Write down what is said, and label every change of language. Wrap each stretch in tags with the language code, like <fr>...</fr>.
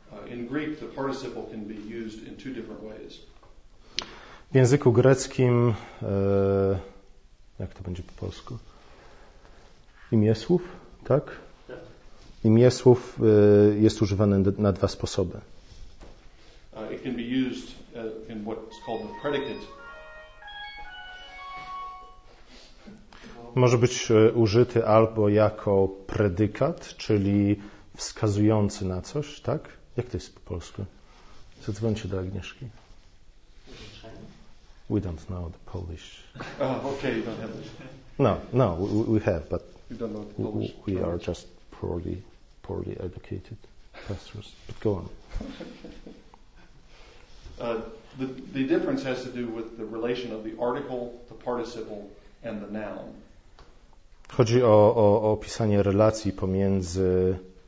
<en>In Greek the participle can be used in two different ways.</en> <pl>W języku greckim, jak to będzie po polsku? Imię słów, tak? Imię słów jest używane na dwa sposoby.</pl> <en>It can be used in what's called the predicate.</en> <pl>Może być użyty albo jako predykat, czyli wskazujący na coś, tak? Jak to jest po polsku? Zadzwońcie do Agnieszki.</pl> <en>We don't know the Polish. Okay, you don't have it. No, we have, but you don't know the Polish. We are just poorly educated pastors. But go on. The difference has to do with the relation of the article, the participle, and the noun.</en> <pl>Chodzi o opisanie relacji pomiędzy.</pl>